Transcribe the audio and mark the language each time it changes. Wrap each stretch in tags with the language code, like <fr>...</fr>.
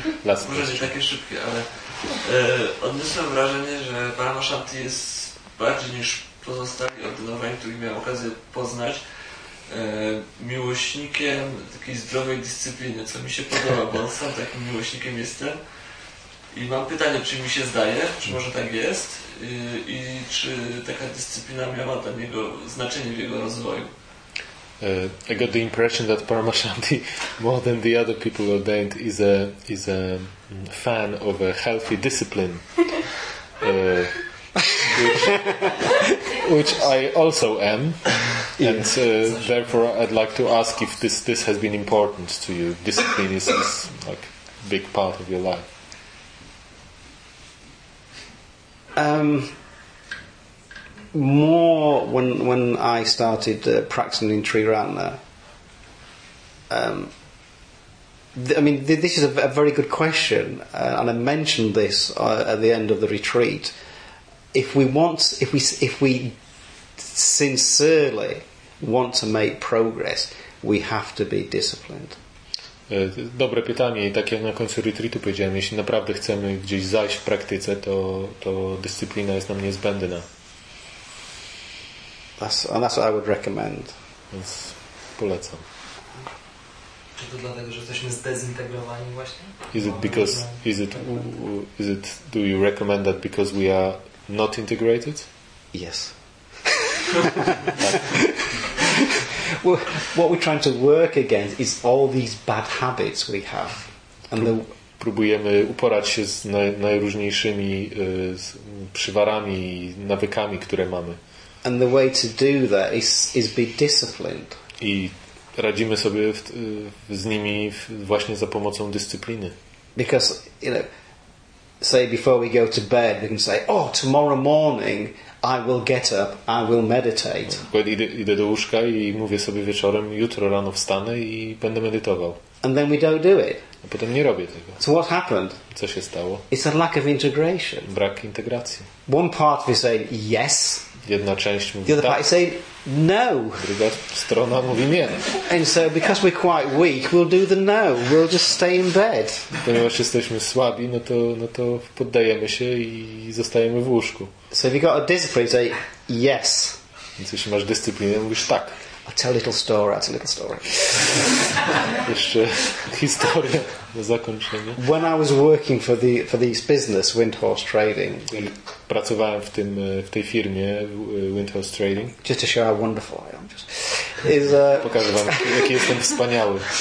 <pl>Może nie takie szybkie, ale odniosłem wrażenie, że Paramashanti jest bardziej niż pozostali ordynowani, których miałem okazję poznać, miłośnikiem takiej zdrowej dyscypliny, co mi się podoba, bo sam takim miłośnikiem jestem. I mam pytanie, czy mi się zdaje, czy może tak jest i czy taka dyscyplina miała dla niego znaczenie w jego rozwoju.</pl> <en>I got the impression that Paramashanti, more than the other people ordained, is a fan of a healthy discipline, which I also am, and therefore I'd like to ask if this has been important to you. Discipline is like a big part of your life. More when I started practicing in Sri Ratna. This is a very good question, and I mentioned this at the end of the retreat. If we sincerely want to make progress, we have to be disciplined.</en> <pl>Dobre pytanie, i tak jak na końcu retreatu powiedziałem, jeśli naprawdę chcemy gdzieś zajść w praktyce, to dyscyplina jest nam niezbędna.</pl> <en>That's what I would recommend.</en> <pl>Więc polecam. Czy to dlatego, że jesteśmy zdezintegrowani właśnie?</pl> <en>Do you recommend that because we are not integrated? Yes. What we're trying to work against is all these bad habits we have.</en> <pl>Próbujemy uporać się z najróżniejszymi z przywarami i nawykami, które mamy.</pl> <en>And the way to do that is be disciplined.</en> <pl>I radzimy sobie z nimi właśnie za pomocą dyscypliny.</pl> <en>Because, say before we go to bed, we can say, oh, tomorrow morning I will get up, I will meditate.</en> <pl>Idę do łóżka i mówię sobie wieczorem, jutro rano wstanę i będę medytował.</pl> <en>And then we don't do it.</en> <pl>A potem nie robię tego.</pl> <en>So what happened?</en> <pl>Co się stało?</pl> <en>It's a lack of integration.</en> <pl>Brak integracji.</pl> <en>One part we say yes.</en> <pl>jedna część mówi</pl> <en>the other</en> <pl>tak,</pl> <en>party say no.</en> <pl>Druga strona mówi nie.</pl> <en>And so because we're quite weak, we'll do the no. We'll just stay in bed.</en> <pl>Ponieważ jesteśmy słabi, no to poddajemy się i zostajemy w łóżku.</pl> <en>So if you got a discipline, say yes.</en> <pl>Więc jeśli masz dyscyplinę, mówisz tak.</pl> <en>I'll tell a little story.</en> <pl>Jeszcze historia na zakończenie.</pl> <en>When I was working for this business, Windhorse Trading.</en> <pl>Pracowałem w tej firmie, Windhorse Trading.</pl> <en>Just to show how wonderful I am.</en> <pl>Pokażę wam, jaki jestem wspaniały.</pl>